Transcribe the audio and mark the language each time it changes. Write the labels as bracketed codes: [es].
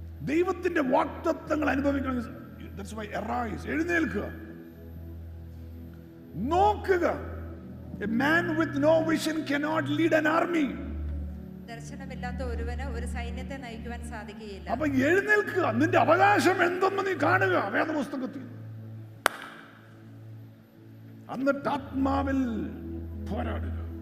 [ml] ദൈവത്തിന്റെ വാക്തത്വങ്ങൾ അനുഭവിക്കണം. [en] That's why arise, [ml] എഴുന്നേൽക്കുക, നോക്കുക. [en] A man with no vision cannot lead an army. [ml] ദർശനമില്ലാത്ത ഒരുവന് ഒരു സൈന്യത്തെ നയിക്കുവാൻ സാധിക്കുകയില്ല. അപ്പൊ എഴുന്നേൽക്കുക, നിന്റെ അവകാശം എന്തെന്ന് നീ കാണുക വേദപുസ്തകത്തിൽ. എന്നിട്ട് ആത്മാവിൽ പോരാടുക.